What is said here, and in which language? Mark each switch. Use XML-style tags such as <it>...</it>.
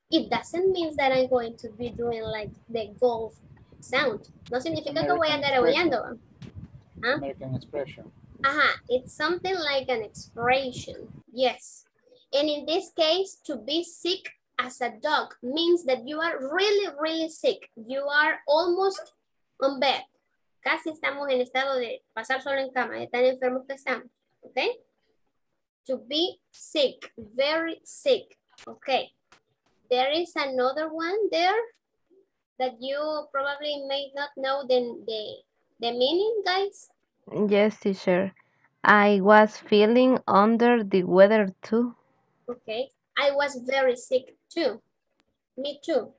<en>It doesn't mean that I'm going to be doing like the golf sound.</en> <es>No significa que voy a andar aullando.</es> <en>American expression. Ajá, it's something like an expression, yes. And in this case, to be sick as a dog means that you are really, really sick. You are almost on bed.</en> <es>Casi estamos en estado de pasar solo en cama, de tan enfermos que estamos, okay?</es> <en>To be sick, very sick. Okay. There is another one there that you probably may not know the meaning, guys. Yes, teacher. I was feeling under the weather too. Okay. I was very sick too. Me too.</en>